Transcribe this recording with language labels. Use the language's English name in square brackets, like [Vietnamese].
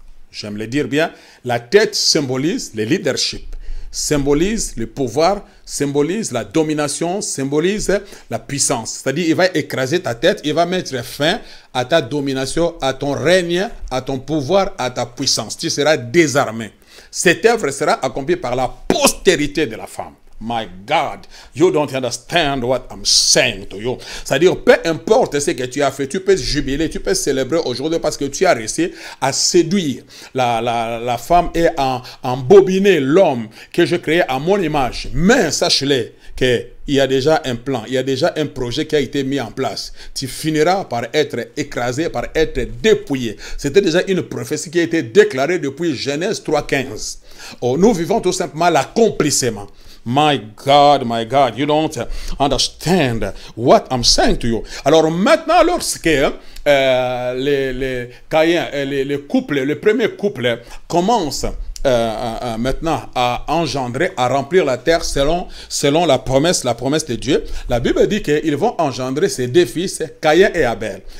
[French] J'aime le dire bien, la tête symbolise le leadership, symbolise le pouvoir, symbolise la domination, symbolise la puissance. C'est-à-dire, il va écraser ta tête, il va mettre fin à ta domination, à ton règne, à ton pouvoir, à ta puissance. Tu seras désarmé. Cette œuvre sera accomplie par la postérité de la femme. [English] My God, you don't understand what I'm saying to you. [French] C'est-à-dire, peu importe ce que tu as fait, tu peux jubiler, tu peux célébrer aujourd'hui parce que tu as réussi à séduire la femme et à embobiner l'homme que j'ai créé à mon image. Mais sache-le qu'il y a déjà un plan, il y a déjà un projet qui a été mis en place. Tu finiras par être écrasé, par être dépouillé. C'était déjà une prophétie qui a été déclarée depuis Genèse 3:15. Oh, nous vivons tout simplement l'accomplissement. [English] My God, you don't understand what I'm saying to you. [French] Alors maintenant, lorsque les couples, le premier couple commence maintenant à engendrer, à remplir la terre selon la promesse de Dieu, la Bible dit qu'ils vont engendrer ces deux fils, Caïn et Abel.